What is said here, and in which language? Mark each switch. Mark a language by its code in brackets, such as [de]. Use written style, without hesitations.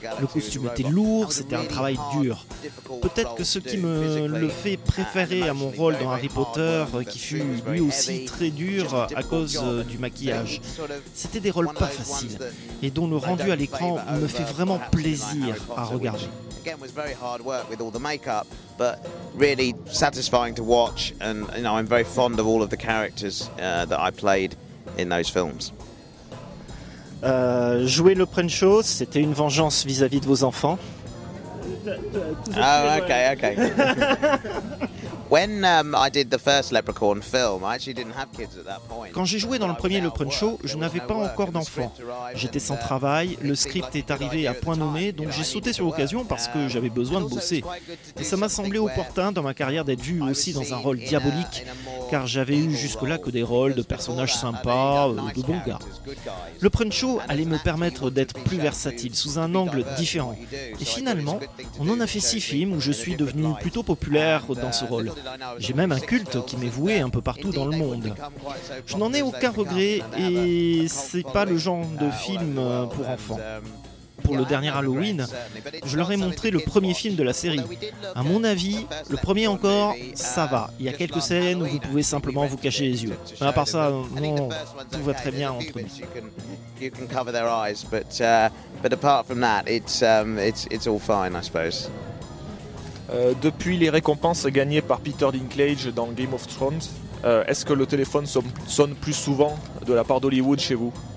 [fr] Le costume était lourd, c'était un travail dur. Peut-être que ce qui me le fait préférer à mon rôle dans Harry Potter, qui fut lui aussi très dur à cause du maquillage. C'était des rôles pas faciles, et dont le rendu à l'écran me fait vraiment plaisir à regarder. [en] Again, was very hard work with all the makeup, but really satisfying to watch. And you know, I'm very fond of all of the characters that I played in those films. [fr] Jouer le Prince Show, c'était une vengeance vis-à-vis de vos enfants. [en] Oh, okay, okay. When I did the first Leprechaun film, I actually didn't have kids at that point. [fr] Quand j'ai joué dans le premier Leprechaun Show, je n'avais pas encore d'enfants. J'étais sans travail, le script est arrivé à point nommé, donc j'ai sauté sur l'occasion parce que j'avais besoin de bosser. Et ça m'a semblé opportun dans ma carrière d'être vu aussi dans un rôle diabolique, car j'avais eu jusque-là que des rôles de personnages sympas, de bons gars. Le Leprechaun Show allait me permettre d'être plus versatile, sous un angle différent. Et finalement, on en a fait 6 films où je suis devenu plutôt populaire dans ce rôle. J'ai même un culte qui m'est voué un peu partout dans le monde. Je n'en ai aucun regret et c'est pas le genre de film pour enfants. Pour le dernier Halloween, je leur ai montré le premier film de la série. À mon avis, le premier encore, ça va. Il y a quelques scènes où vous pouvez simplement vous cacher les yeux. Mais à part ça, non, tout va très bien entre nous. [en] You can cover their eyes, but apart from that, it's all fine, I suppose. [fr] Depuis les récompenses gagnées par Peter Dinklage dans Game of Thrones, est-ce que le téléphone sonne plus souvent de la part d'Hollywood chez vous?